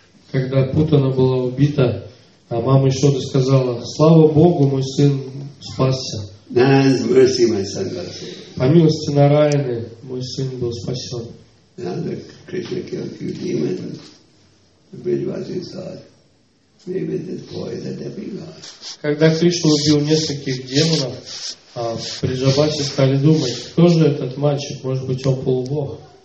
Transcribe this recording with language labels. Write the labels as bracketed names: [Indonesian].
[Russian] Когда Путана была убита, а мама еще то сказала: «Слава Богу, мой сын спасся». [English] Narayana's mercy, my son got saved. [Russian] По милости Нараяны мой сын был спасен. [English] Now that Krishna killed a few demons, the Vrijvasis thought, [Russian] Когда Кришна убил нескольких демонов, Приджабачи стали думать, кто же этот мальчик, может быть, он полубог.